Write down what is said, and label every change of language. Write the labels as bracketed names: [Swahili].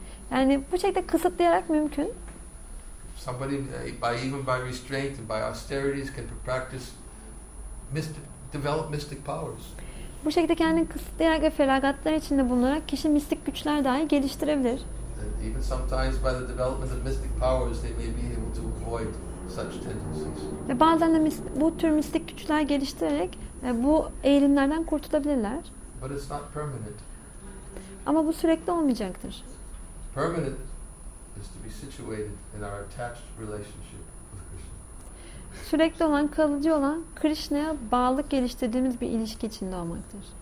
[Turkish] Yani bu şekilde kısıtlayarak mümkün. [English] Somebody by even by restraint and by austerities can practice develop mystic powers. [Turkish] Bu şekilde kendini kısıtlayarak ve feragatlar içinde bulunarak kişi mistik güçler dahi geliştirebilir. [English] And even sometimes by the development of mystic powers they may be able to avoid such tendencies. [Turkish] Ve bazen de bu tür mistik güçler geliştirerek bu eğilimlerden kurtulabilirler. [English] But it's not permanent. [Turkish] Ama bu sürekli olmayacaktır. [English] Permanent is to be situated in our attached relationship with Krishna. [Turkish] Sürekli olan, kalıcı olan, Krishna'ya bağlılık geliştirdiğimiz bir ilişki içinde olmaktır.